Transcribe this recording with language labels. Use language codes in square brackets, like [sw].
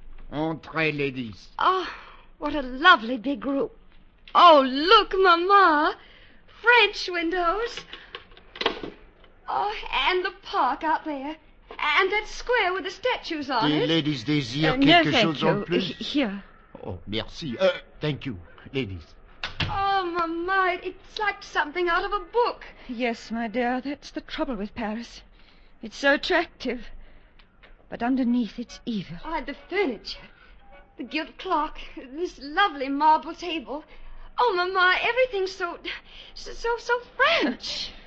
[fr] Entrez, ladies. [en] Oh, what a lovely big room. Oh, look, Mama. French windows. Oh, and the park out there. And that square with the statues on it. The ladies [fr] désire quelque chose en plus. [en] Here. Oh, merci. Thank you, ladies. Oh, Mama, it's like something out of a book. Yes, my dear, that's the trouble with Paris. It's so attractive. But underneath, it's evil. Oh, the furniture. The gilt clock. This lovely marble table. Oh, Mama, everything's so French.